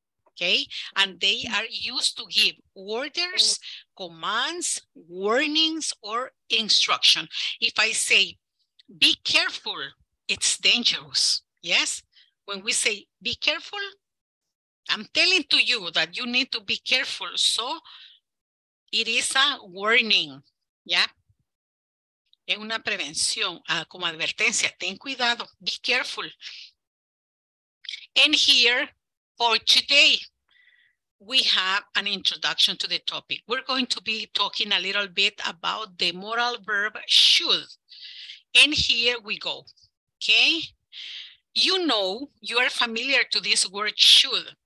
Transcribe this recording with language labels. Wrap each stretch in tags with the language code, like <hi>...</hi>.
<en>Okay, and they are used to give orders, commands, warnings, or instruction. If I say, be careful, it's dangerous, yes? When we say be careful, I'm telling to you that you need to be careful. So it is a warning, yeah?</en> <es>Es una prevención, como advertencia. Ten cuidado,</es> <en>be careful. And here for today, we have an introduction to the topic. We're going to be talking a little bit about the modal verb should. And here we go, okay? You know, you are familiar to this word should.</en>